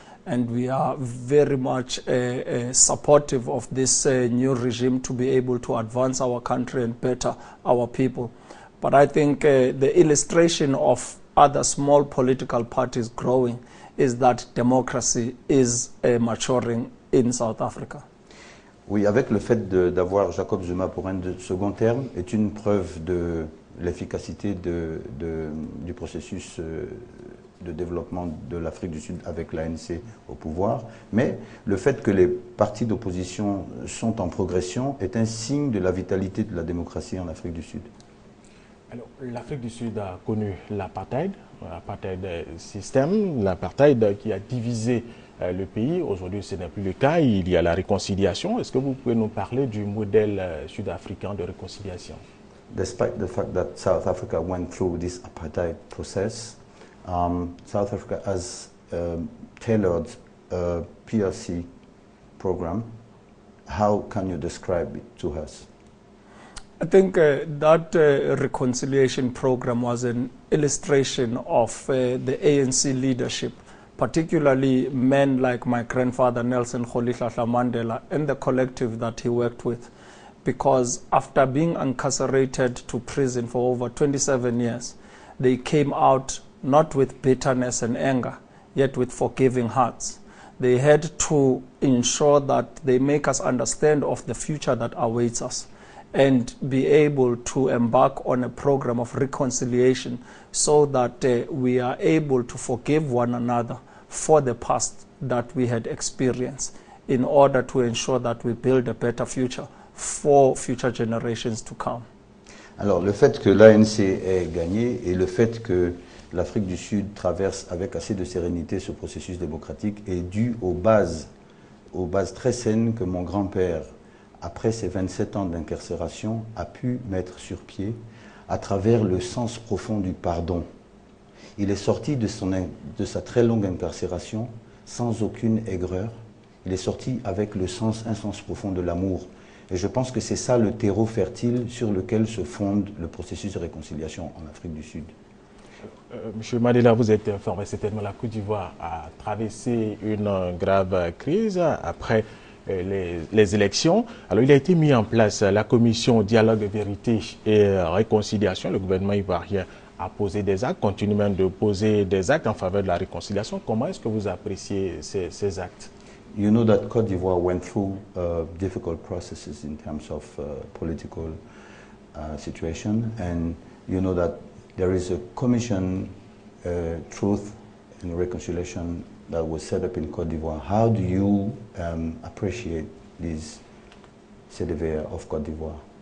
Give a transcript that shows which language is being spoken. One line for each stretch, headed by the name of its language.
English: And we are very much supportive of this new regime to be able to advance our country and better our people. But I think the illustration of other small political parties growing is that democracy is maturing in South Africa.
French: Oui, avec le fait d'avoir Jacob Zuma pour un second terme est une preuve de l'efficacité du processus de développement de l'Afrique du Sud avec l'ANC au pouvoir. Mais le fait que les partis d'opposition sont en progression est un signe de la vitalité de la démocratie en Afrique du Sud. Alors, l'Afrique du Sud a connu l'apartheid système, l'apartheid qui a divisé le pays. Aujourd'hui, ce n'est plus le cas. Il y a la réconciliation. Est-ce que vous pouvez nous parler du modèle sud-africain de réconciliation? Despite the fact that South Africa went through this apartheid process, South Africa has tailored a PRC program. How can you describe it to us? I think that reconciliation program was an illustration of the ANC leadership, particularly men like my grandfather Nelson Rolihlahla Mandela and the collective that he worked with. Because after being incarcerated to prison for over 27 years, they came out not with bitterness and anger, yet with forgiving hearts. They had to ensure that they make us understand of the future that awaits us, and be able to embark on a program of reconciliation so that we are able to forgive one another for the past that we had experienced in order to ensure that we build a better future for future generations to come. Alors, le fait que l'ANC ait gagné et le fait que l'Afrique du Sud traverse avec assez de sérénité ce processus démocratique est dû aux bases très saines que mon grand-père, après ses 27 ans d'incarcération, a pu mettre sur pied à travers le sens profond du pardon. Il est sorti de sa très longue incarcération sans aucune aigreur. Il est sorti avec un sens profond de l'amour. Et je pense que c'est ça le terreau fertile sur lequel se fonde le processus de réconciliation en Afrique du Sud. Monsieur Mandela, vous êtes informé, certainement la Côte d'Ivoire a traversé une grave crise après les élections. Alors, il a été mis en place la commission Dialogue, Vérité et Réconciliation. Le gouvernement ivoirien a posé des actes, continue même de poser des actes en faveur de la réconciliation. Comment est-ce que vous appréciez ces actes?
English: You know that Côte d'Ivoire went through difficult processes in terms of political situation, and you know that there is a commission, Truth and Reconciliation, that was set up in Côte d'Ivoire. How do you appreciate this CEDEVEA of Côte d'Ivoire?